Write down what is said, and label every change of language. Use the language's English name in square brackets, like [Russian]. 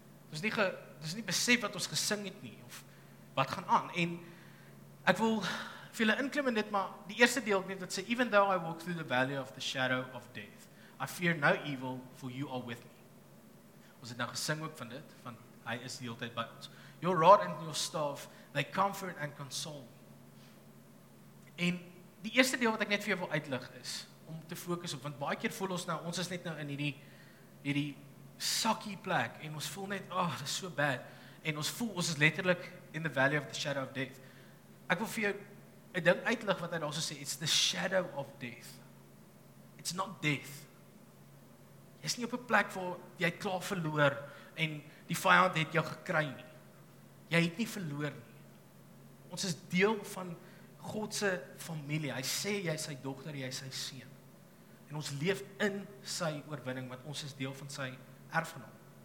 [Afrikaans] Dis nie besef wat ons gesing het nie, of wat gaan aan, en ek wil vir julle inklim in dit, maar die eerste deel net wat sê, [English] even though I walk through the valley of the shadow of death, I fear no evil, for you are with me. [Afrikaans] Ons het nou gesing ook van dit, van hy is die hele tyd by ons. [English] Your rod and your staff, they comfort and console me. [Afrikaans] En die eerste deel wat ek net vir jou wil uitlig is, om te fokus op, want baie keer voel ons is net nou in hierdie sakkie plek, en ons voel net, oh, dit is so bad, en ons voel, ons is letterlik [English] in the valley of the shadow of death. [Afrikaans] Ek wil vir jou een ding uitlig wat hy daarso sê, [English] it's the shadow of death. It's not death. [Afrikaans] Jy is nie op 'n plek waar jy klaar verloor, en die vijand het jou gekry nie. Jy het nie verloor nie. Ons is deel van Godse familie. Hy sê, jy is sy dogter, jy is sy seun. En ons leef in sy oorwinning, want ons is deel van sy erfgenaam.